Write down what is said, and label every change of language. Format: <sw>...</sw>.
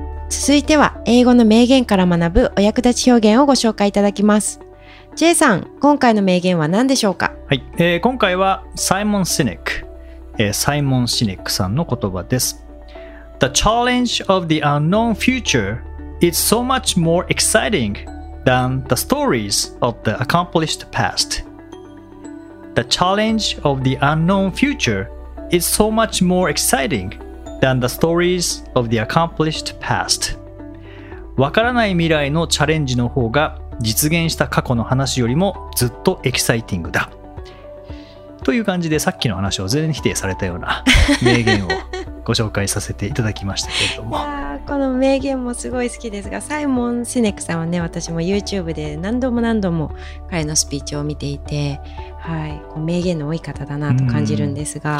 <ja>続いては英語の名言から学ぶお役立ち表現をご紹介いただきます。 J さん、今回の名言は何でしょうか？はい、今回はサイモン・シネック、サイモン・シネックさんの言葉です。</ja> <en>The challenge of the unknown future is so much more excitingthan the stories of the accomplished past. The challenge of the unknown future is so much more exciting than the stories of the accomplished past.</en> <ja>わからない未来のチャレンジの方が実現した過去の話よりもずっとエキサイティングだ。という感じで、さっきの話を全然否定されたような名言をご紹介させていただきましたけれども、この名言もすごい好きですが、サイモン・シネックさんはね、私も YouTube で何度も何度も彼のスピーチを見ていて、はい、名言の多い方だなと感じるんですが、</ja>